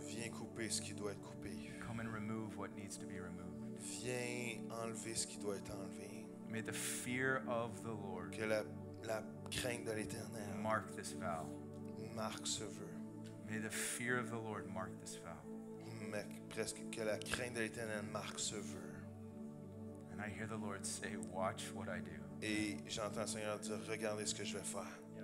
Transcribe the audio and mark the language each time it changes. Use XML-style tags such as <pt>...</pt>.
<fr>Viens couper ce qui doit être coupé.</fr> <en>Come and remove what needs to be removed.</en> <fr>Viens enlever ce qui doit être enlevé.</fr> <en>May the fear of the Lord.</en> <fr>Que la crainte de l'Éternel.</fr> <en>Mark this vow.</en> <fr>Marque ce vœu.</fr> <en>May the fear of the Lord mark this vow.</en> <fr>Mec, presque que la crainte de l'Éternel marque ce vœu.</fr> <en>And I hear the Lord say, "Watch what I do."</en> <fr>Et j'entends Seigneur dire, regardez ce que je vais faire.</fr>